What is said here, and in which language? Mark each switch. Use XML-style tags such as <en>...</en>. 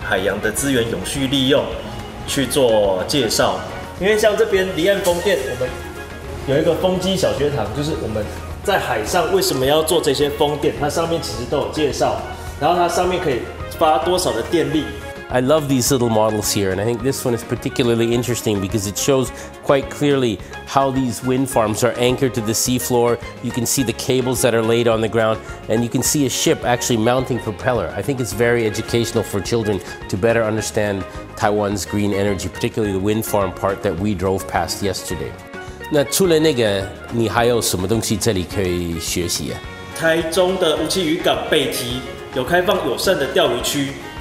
<zh>针对海洋保育，跟我们的海域执法，就是我们海巡平常在做哪些工作，还有对于离岸风电，就是我们未来的海洋的资源永续利用。去做介绍，因为像这边离岸风电，我们有一个风机小学堂，就是我们在海上为什么要做这些风电，它上面其实都有介绍，然后它上面可以发多少的电力。</zh> <en>I love these little models here, and I think this one is particularly interesting because it shows quite clearly how these wind farms are anchored to the seafloor. You can see the cables that are laid on the ground, and you can see a ship actually mounting propeller. I think it's very educational for children to better understand Taiwan's green energy, particularly the wind farm part that we drove past yesterday.</en> <zh>那除了那个，你还有什么东西这里可以学习啊？台中的梧栖渔港北堤有开放友善的钓鱼区。</zh>